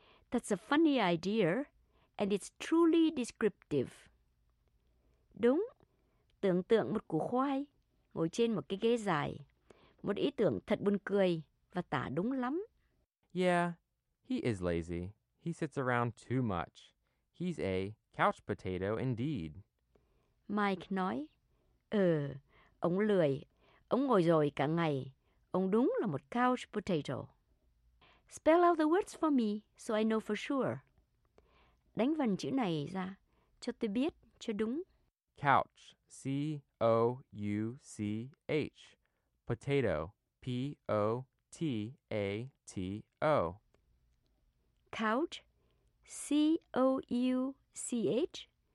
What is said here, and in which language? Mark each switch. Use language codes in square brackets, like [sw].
[en] That's a funny idea, and it's truly descriptive. [vi] Đúng. Tưởng tượng một củ khoai ngồi trên một cái ghế dài. Một ý tưởng thật buồn cười và tả đúng lắm. [en] Yeah, he is lazy. He sits around too much. He's a couch potato indeed. [vi] Mike nói, ông lười. Ông ngồi rồi cả ngày. Ông đúng là một [en] couch potato. Spell out the words for me so I know for sure. [vi] Đánh vần chữ này ra cho tôi biết cho đúng. [en] Couch, C-O-U-C-H. Potato, P-O-T-A-T-O. Couch, C-O-U-C-H.